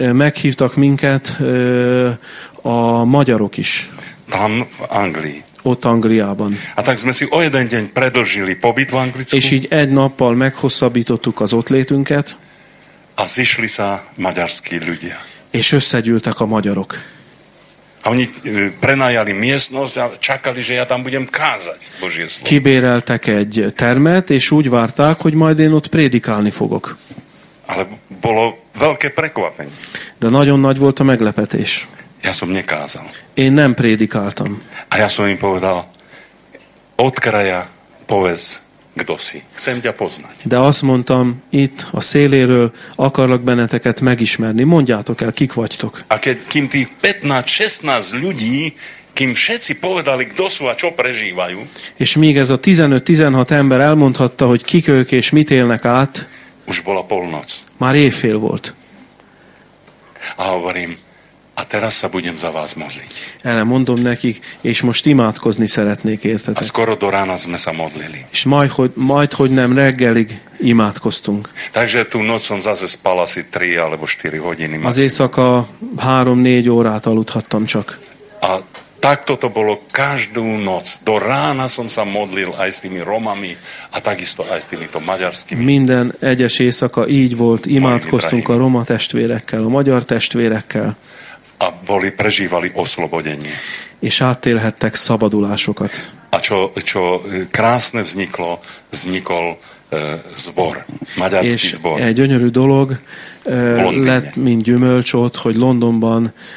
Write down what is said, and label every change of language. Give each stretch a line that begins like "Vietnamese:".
Hungarian: Meghívtak minket a magyarok is.
Slovak: Tam v Anglii.
Hungarian: Ott Angliában.
Slovak: A tak sme si o jeden deň predlžili pobyt v Anglicku.
Hungarian: És így egy nappal meghosszabbítottuk az ott létünket.
Slovak: A zišli sa maďarskí ľudia.
Hungarian: És összegyűltek a magyarok.
Slovak: A oni prenajali miestnosť a čakali, že ja tam budem kázať Božie slovo.
Hungarian: Kibéreltek egy termet, és úgy várták, hogy majd én ott prédikálni fogok.
Slovak: Ale bolo veľké prekvapenie.
Hungarian: De nagyon nagy volt a meglepetés.
Slovak: Ja som nekázal.
Hungarian: Én nem prédikáltam.
Slovak: A ja som im povedal, od kraja povedz, kdo si. Chcem ťa poznať.
Hungarian: De azt mondtam, itt a széléről akarlak benneteket megismerni. Mondjátok el, kik vagytok.
Slovak: A keď kým tých 15-16 ľudí, kým všetci povedali, kdo sú a čo prežívajú.
Hungarian: És míg ez a 15-16 ember elmondhatta, hogy kik ők és mit élnek át.
Slovak: Už bola polnoc.
Hungarian: Már éjfél volt.
Slovak: A hovorím, a teraz sa budem za vás modliť.
Hungarian: Erre mondom nekik, és most imádkozni szeretnék értetek.
Slovak: A skoro do rána sme sa modlili.
Hungarian: És majd, hogy nem reggelig imádkoztunk.
Slovak: Takže tú noc som zase spal asi 3 alebo 4 hodiny.
Hungarian: Az éjszaka 3-4 órát aludhattam csak.
Slovak: A takto to bolo každú noc. Do rána som sa modlil aj s tými Romami a takisto aj s týmito maďarskými.
Hungarian: Minden egyes éjszaka így volt. Imádkoztunk a roma testvérekkel, a magyar testvérekkel.
Slovak: A boli prežívali oslobodenie.
Hungarian: És átélhettek szabadulásokat.
Slovak: A čo krásne vznikol zbor, maďarský
Hungarian: és
Slovak: zbor.
Hungarian: Egy gyönyörű dolog lett, mint gyümölcs ott, hogy Londonban